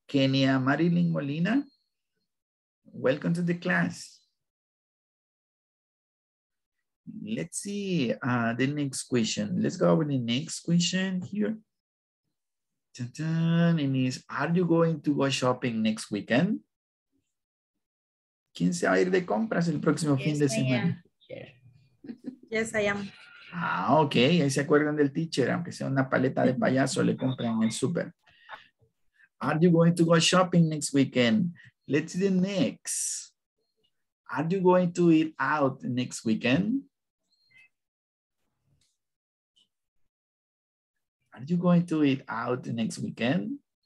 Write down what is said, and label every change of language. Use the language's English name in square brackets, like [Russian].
[English] Kenia Marilyn Molina, welcome to the class. Let's see the next question. Let's go with the next question here. Dun-dun. It is, are you going to go shopping next weekend? [Spanish] ¿Quién se va a ir de compras el próximo fin de semana? [English] Yes, I am. [Spanish] Ah, ok. Ahí se acuerdan del teacher. Aunque sea una paleta de payaso, le compran el súper. [English] Are you going to go shopping next weekend? Let's see the next. Are you going to eat out next weekend? Are you going to eat out next weekend?